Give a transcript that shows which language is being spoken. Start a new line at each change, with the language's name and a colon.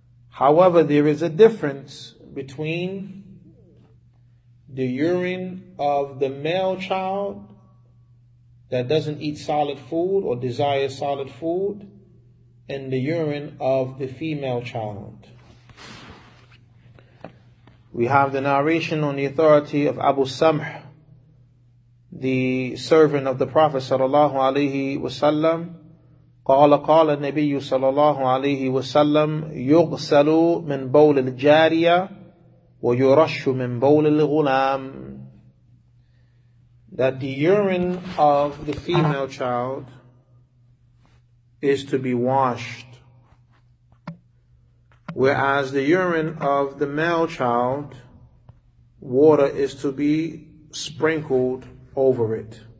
English: However, there is a difference between the urine of the male child that doesn't eat solid food or desire solid food, and the urine of the female child. We have the narration on the authority of Abu Samh, the servant of the Prophet sallallahu alaihi wasallam.
Arabic: قال قال النبي صلى الله عليه وسلم يغسل من بول الجارية ويرش من بول الغلام.
English: That the urine of the female child is to be washed, whereas the urine of the male child, water is to be sprinkled over it.